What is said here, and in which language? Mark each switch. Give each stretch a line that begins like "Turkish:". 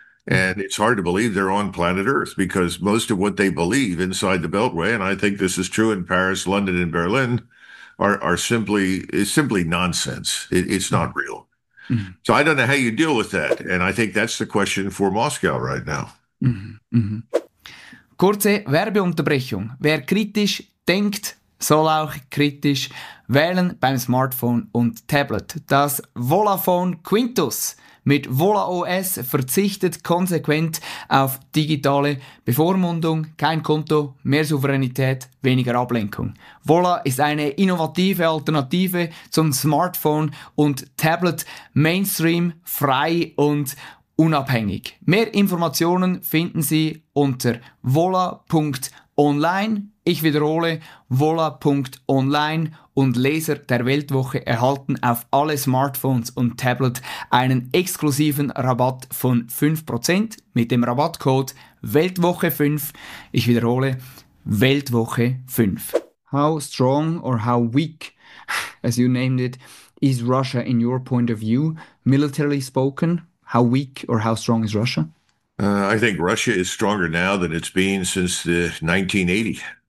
English: And it's hard to believe they're on planet Earth because most of what they believe inside the Beltway, and I think this is true in Paris, London, and Berlin, are simply nonsense. It's not real. So I don't know how you deal with that. And I think that's the question for Moscow right now.
German: Kurze Werbeunterbrechung. Wer kritisch denkt, soll auch kritisch wählen beim Smartphone und Tablet. Das Volaphone Quintus mit Vola OS verzichtet konsequent auf digitale Bevormundung. Kein Konto, mehr Souveränität, weniger Ablenkung. Vola ist eine innovative Alternative zum Smartphone und Tablet. Mainstream, frei und unabhängig. Mehr Informationen finden Sie unter vola.online. Ich wiederhole, vola.online, und Leser der Weltwoche erhalten auf alle Smartphones und Tablet einen exklusiven Rabatt von 5% mit dem Rabattcode Weltwoche5. Ich wiederhole, Weltwoche5.
English: How strong or how weak, as you named it, is Russia in your point of view, militarily spoken? How weak or how strong is Russia? I think Russia is stronger now than it's been since the 1980s.